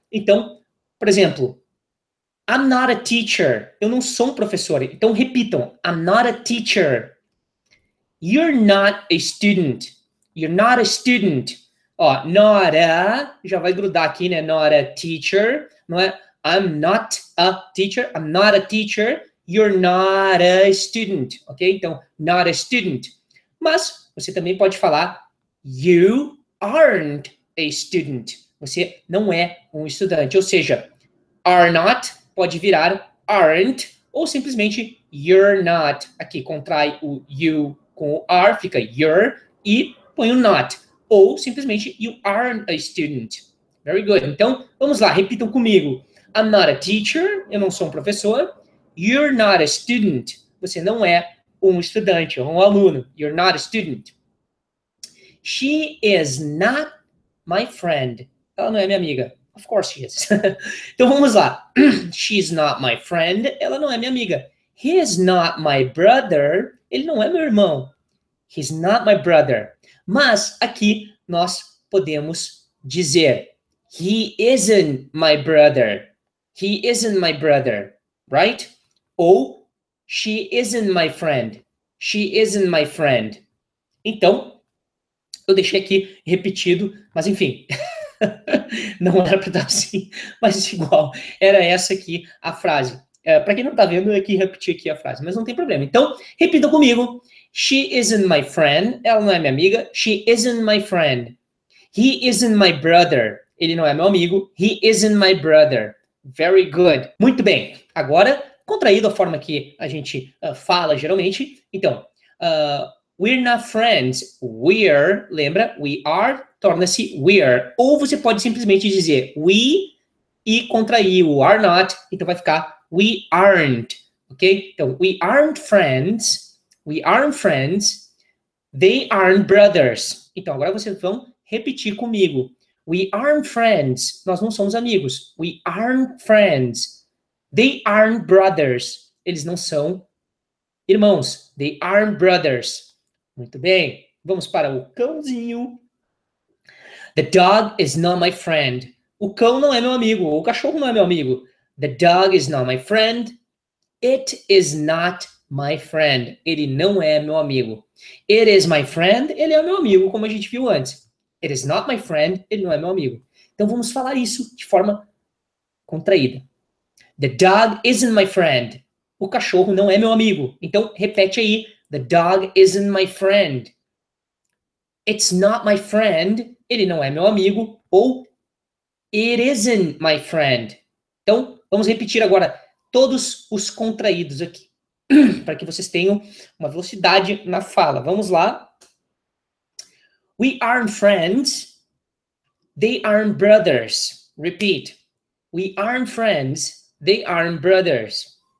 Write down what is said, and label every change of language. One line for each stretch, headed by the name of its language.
Portuguese: Então, por exemplo,
English: I'm not a teacher.
Portuguese: Eu não sou um professor. Então, repitam.
English: I'm not a teacher. You're not a student. You're not a student.
Portuguese: Ó, not a, já vai grudar aqui, né?
English: Not a teacher,
Portuguese: não é?
English: I'm not a teacher, I'm not a teacher, you're not a student, ok? Então, not a student.
Portuguese: Mas, você também pode falar,
English: you aren't a student.
Portuguese: Você não é um estudante, ou seja, are not pode virar aren't, ou simplesmente, you're not. Aqui, contrai o you com o are, fica you're, e põe o not. Ou, simplesmente,
English: you aren't a student. Very good.
Portuguese: Então, vamos lá, repitam comigo.
English: I'm not a teacher,
Portuguese: eu não sou um professor.
English: You're not a student,
Portuguese: você não é um estudante, um aluno.
English: You're not a student. She is not my friend.
Portuguese: Ela não é minha amiga.
English: Of course she is.
Portuguese: Então, vamos lá.
English: She's not my friend,
Portuguese: ela não é minha amiga.
English: He is not my brother,
Portuguese: ele não é meu irmão.
English: He's not my brother.
Portuguese: Mas aqui nós podemos dizer,
English: he isn't my brother. He isn't my brother, right?
Portuguese: Ou,
English: she isn't my friend. She isn't my friend.
Portuguese: Então, eu deixei aqui repetido, mas enfim, não era para estar assim, mas igual, era essa aqui a frase. Para quem não está vendo, eu aqui repeti aqui a frase, mas não tem problema. Então, repita comigo.
English: She isn't my friend.
Portuguese: Ela não é minha amiga.
English: She isn't my friend. He isn't my brother.
Portuguese: Ele não é meu amigo.
English: He isn't my brother. Very good.
Portuguese: Muito bem. Agora, contraído a forma que a gente fala geralmente.
English: Então, we're not friends. We're, lembra? We are, torna-se we're.
Portuguese: Ou você pode simplesmente dizer we e contrair o are not. Então, vai ficar
English: we aren't,
Portuguese: ok?
English: Então, we aren't friends, we aren't friends, they aren't brothers.
Portuguese: Então, agora vocês vão repetir comigo.
English: We aren't friends,
Portuguese: nós não somos amigos.
English: We aren't friends, they aren't brothers.
Portuguese: Eles não são irmãos,
English: they aren't brothers.
Portuguese: Muito bem, vamos para o cãozinho.
English: The dog is not my friend.
Portuguese: O cão não é meu amigo, o cachorro não é meu amigo.
English: The dog is not my friend. It is not my friend.
Portuguese: Ele não é meu amigo.
English: It is my friend.
Portuguese: Ele é meu amigo, como a gente viu antes.
English: It is not my friend.
Portuguese: Ele não é meu amigo. Então, vamos falar isso de forma contraída.
English: The dog isn't my friend.
Portuguese: O cachorro não é meu amigo. Então, repete aí.
English: The dog isn't my friend. It's not my friend.
Portuguese: Ele não é meu amigo.
English: Ou, it isn't my friend.
Portuguese: Então, vamos repetir agora todos os contraídos aqui, para que vocês tenham uma velocidade na fala. Vamos lá.
English: We aren't friends, they aren't brothers. Repeat. We aren't friends, they aren't brothers.